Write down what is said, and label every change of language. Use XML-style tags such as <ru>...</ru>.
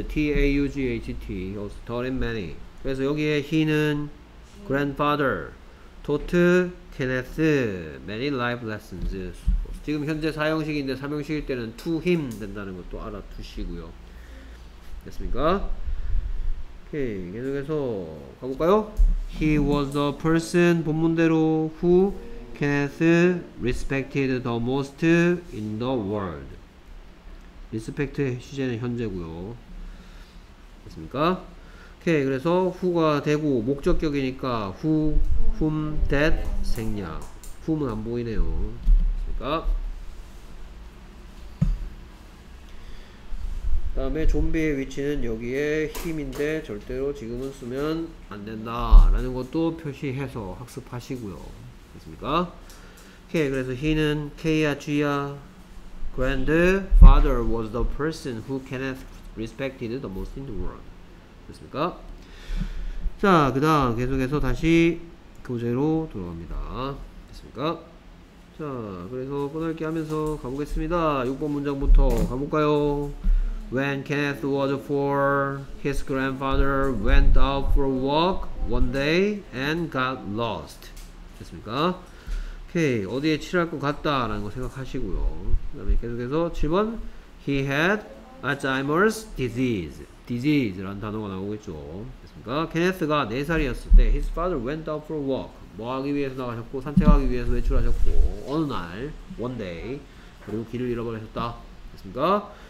<en>T-A-U-G-H-T. He also taught him many.</en> <ko>그래서 여기에</ko> <en>he는 grandfather taught Kenneth many life lessons.</en> <ko>지금 현재 사형식인데 삼형식일 때는 to him 된다는 것도 알아두시고요. 됐습니까? 오케이. 계속해서 가볼까요?</ko> <en>He was the person</en> <ko>본문대로</ko> <en>who Kenneth respected the most in the world.</en> <ko>Respect 시제는 현재고요. 됐습니까? 오케이. 그래서 who가 되고 목적격이니까 who, whom, that, 생략. whom은 안 보이네요. 됐습니까? 그 다음에 좀비의 위치는 여기에 힘인데 절대로 지금은 쓰면 안 된다 라는 것도 표시해서 학습하시고요. 됐습니까? 오케이.</ko> <en>그래서 he는</en> <ko>K야 G야</ko> <en>grandfather was the person who Kenneth respected the most in the world.</en> <ko>됐습니까? 자, 그 다음 계속해서 다시 교재로 돌아갑니다. 됐습니까? 자, 그래서 끊을게 하면서 가보겠습니다. 6번 문장부터 가볼까요?</ko> <en>When Kenneth was four, his grandfather went out for a walk one day and got lost.</en> <ko>됐습니까? 오케이. 어디에 칠할 것 같다라는 거 생각하시고요. 그 다음에 계속해서 7번.</ko> <en>He had Alzheimer's disease.</en> <ko>disease라는 단어가 나오겠죠. 됐습니까? Kenneth가 4살이었을 때,</ko> <en>his father went out for a walk.</en> <ko>뭐 하기 위해서 나가셨고, 산책하기 위해서 외출하셨고, 어느 날, one day, 그리고 길을 잃어버리셨다. 됐습니까?</ko>